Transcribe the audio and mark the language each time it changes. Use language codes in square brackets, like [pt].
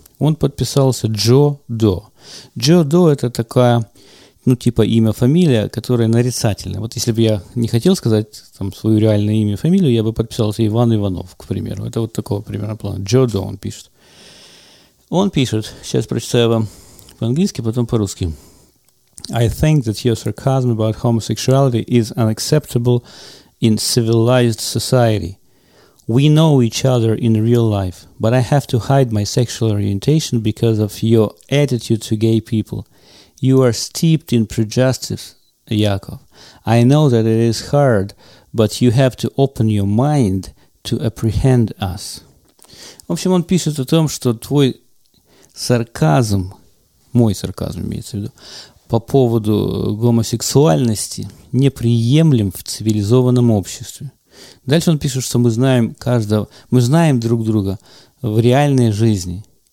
[ru] Он подписался Джо До. Джо До – это такая, ну, типа имя-фамилия, которая нарицательна. Вот если бы я не хотел сказать там свою реальное имя-фамилию, я бы подписался Иван Иванов, к примеру. Это вот такого примерно плана. Джо До, он пишет. Он пишет, сейчас прочитаю вам по-английски, потом по-русски. [en] I think that your sarcasm about homosexuality is unacceptable in civilized society. We know each other in real life, but I have to hide my sexual orientation because of your attitude to gay people. You are steeped in prejudice, Yaakov. I know that it is hard, but you have to open your mind to apprehend us. [ru] В общем, он пишет о том, что твой сарказм, мой сарказм имеется в виду, по поводу гомосексуальности неприемлем в цивилизованном обществе. Дальше он пишет, что мы знаем каждого, мы знаем друг друга в реальной жизни.